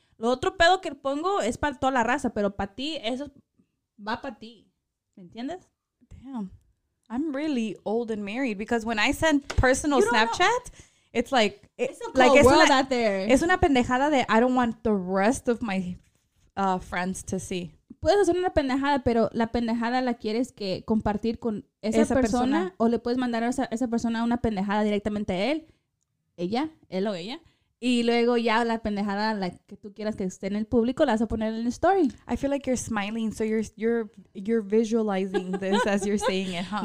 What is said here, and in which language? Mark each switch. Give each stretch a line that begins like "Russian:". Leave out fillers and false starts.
Spanish: Lo otro pedo que pongo es para toda la raza. Pero para ti, eso va para ti. ¿Me entiendes?
English: Damn. I'm really old and married because when I send personal Snapchat, it's like, it's a cold world out there.
Spanish: Es una pendejada
English: that I don't want the rest of my friends to see.
Spanish: Puedes hacer una pendejada, pero la pendejada la quieres que compartir con esa persona, o le puedes mandar a esa persona una pendejada directamente a él o ella, y luego ya la pendejada la que tú quieras que esté en el público la vas a poner en el story.
English: I feel like you're smiling, so you're visualizing this as you're saying it, huh?